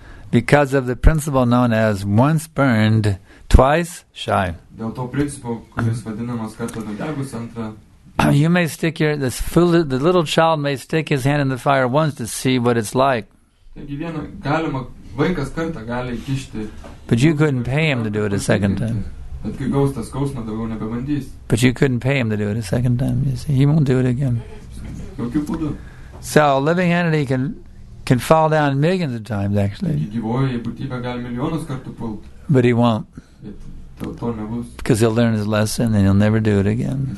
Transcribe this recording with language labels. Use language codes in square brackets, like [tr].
[en] Because of the principle known as once burned, twice shy. You may stick your the little child may stick his hand in the fire once to see what it's like. [lt] Vaikas kartą gali įkišti. [en] But you couldn't pay him to do it a second time. [lt] Bet kai gaus tas skausmą, daugiau nebebandys. [en] But you couldn't pay him to do it a second time. You see, he won't do it again. [lt] Jokiu būdu. [en] So a living entity can fall down millions of times, actually. [lt] Gyvoji būtybė gali milijonus kartų pult. [en] But he won't. [lt] Bet to nebus. [en] Because he'll learn his lesson and he'll never do it again.